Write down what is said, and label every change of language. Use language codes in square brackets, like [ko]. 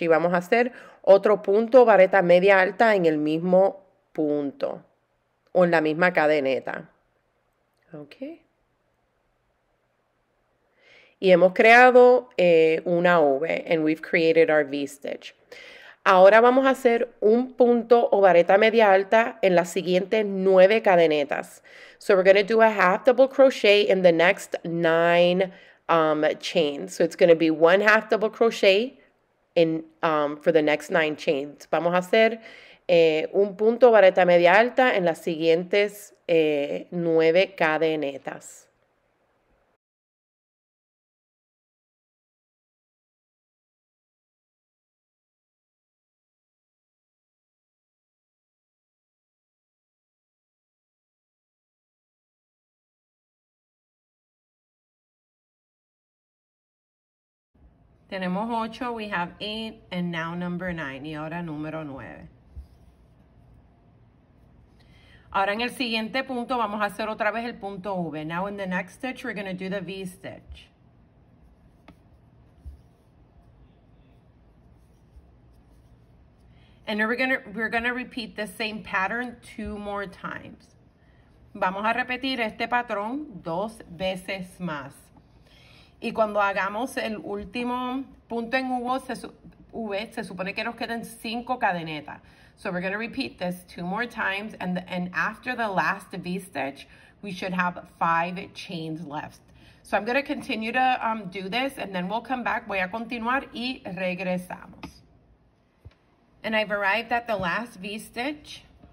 [es] Y vamos a hacer otro punto vareta media alta en el mismo punto o en la misma cadeneta. Ok. Y hemos creado una V. [en] And we've created our V stitch. [es] Ahora vamos a hacer un punto o vareta media alta en las siguientes nueve cadenetas. [en] So we're going to do a half double crochet in the next nine chains. So it's going to be one half double crochet in for the next nine chains. [es] Vamos a hacer un punto vareta media alta en las siguientes 9 cadenetas. Tenemos 8, [en] we have 8, and now number 9, [es] y ahora número 9. Ahora en el siguiente punto vamos a hacer otra vez el punto V. [en] Now in the next stitch, we're going to do the V stitch. And now we're going to repeat the same pattern 2 more times. [es] Vamos a repetir este patrón 2 veces más. Y cuando hagamos el último punto en V, se supone que nos quedan 5 cadenetas. [en] So we're going to repeat this 2 more times. And after the last V stitch, we should have 5 chains left. So I'm going to continue to do this and then we'll come back. [es] Voy a continuar y regresamos. [en] And I've arrived at the last V stitch.